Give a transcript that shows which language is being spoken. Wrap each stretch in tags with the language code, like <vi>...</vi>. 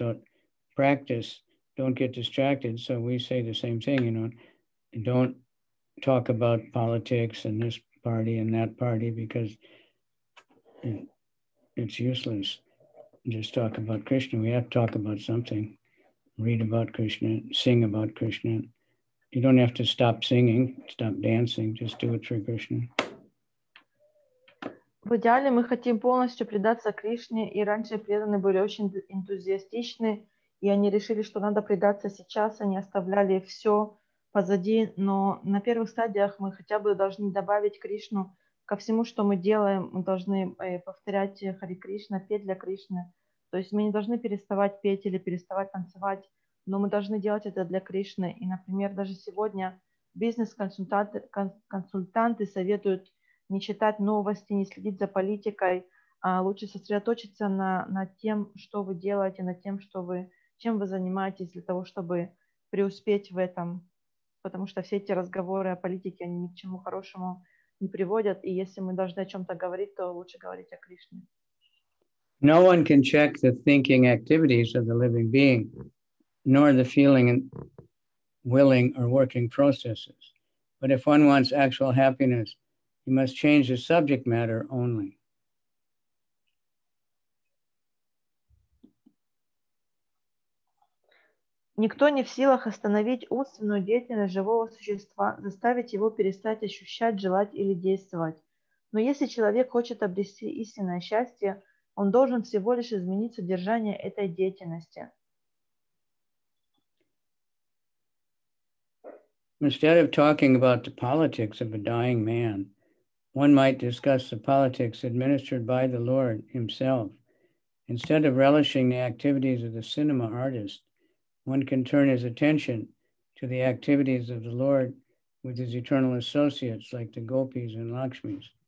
<en>So practice, don't get distracted. So we say the same thing, you know, don't talk about politics and this party and that party, because it's useless. Just talk about Krishna. We have to talk about something. Read about Krishna, sing about Krishna. You don't have to stop singing, stop dancing, just do it for Krishna.</en> <ru>В идеале мы хотим полностью предаться Кришне, и раньше преданные были очень энтузиастичны, и они решили, что надо предаться сейчас, они оставляли все позади, но на первых стадиях мы хотя бы должны добавить Кришну ко всему, что мы делаем, мы должны повторять Хари Кришна, петь для Кришны. То есть мы не должны переставать петь или переставать танцевать, но мы должны делать это для Кришны. И, например, даже сегодня бизнес-консультанты советуют не читать новости, не следить за политикой, а лучше сосредоточиться на тем, что вы делаете, на тем, что вы, чем вы занимаетесь для того, чтобы преуспеть в этом. Потому что все эти разговоры о политике, они ни к чему хорошему не приводят. И если мы должны о чем-то говорить, то лучше говорить о Кришне.</ru> <en>No one can check the thinking activities of the living being, nor the feeling and willing or working processes. But if one wants actual happiness, you must change the subject matter only.</en> <ru>Никто не в силах остановить умственную деятельность живого существа, заставить его перестать ощущать, желать или действовать. Но если человек хочет обрести истинное счастье, он должен всего лишь изменить содержание этой деятельности.</ru> <en>Instead of talking about the politics of a dying man, one might discuss the politics administered by the Lord himself. Instead of relishing the activities of the cinema artist, one can turn his attention to the activities of the Lord with his eternal associates like the gopis and lakshmis.</en>